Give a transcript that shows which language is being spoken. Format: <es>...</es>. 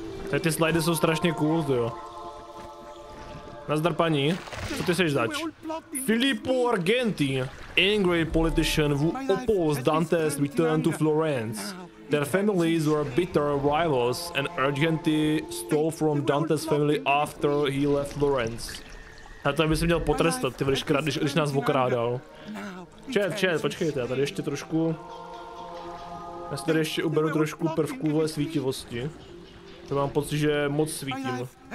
<cs>Tady ty slidy jsou strašně cool, jo. Nazdar paní, co ty seš zač?</cs> <en>Filippo Argenti, angry politician who opposed Dante's return to Florence. Their families were bitter rivals and Argenti stole from Dante's family after he left Florence.</en> <cs>A to by se měl potrestat, ty, když nás okrádal. Čet, počkejte, já tady ještě trošku... Já si tady ještě uberu trošku prvků ve svítivosti. To mám pocit, že moc svítím.</cs>